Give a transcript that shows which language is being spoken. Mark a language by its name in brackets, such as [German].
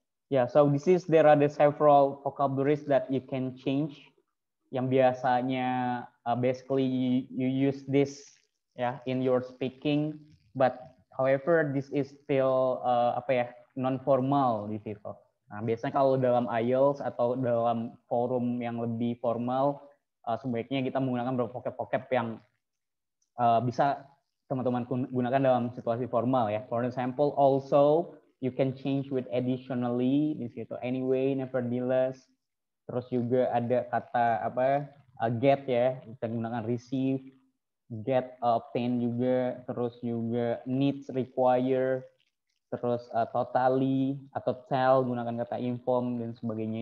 [English] Yeah, so this is, there are the several vocabularies that you can change. [Indonesian] Yang biasanya [English] basically you use this yeah in your speaking, but however this is still non-formal [Indonesian] di situ. Nah, biasanya kalau dalam IELTS atau dalam forum yang lebih formal, sebaiknya kita menggunakan beberapa vocab-vocab yang bisa teman-teman gunakan dalam situasi formal ya. [English] For example, also you can change with additionally [Indonesian] di situ, [English] anyway, nevertheless. [Indonesian] Terus juga ada kata apa get ya, kita gunakan receive, get, obtain juga, terus juga needs, require, terus totally atau tell, gunakan kata inform dan sebagainya.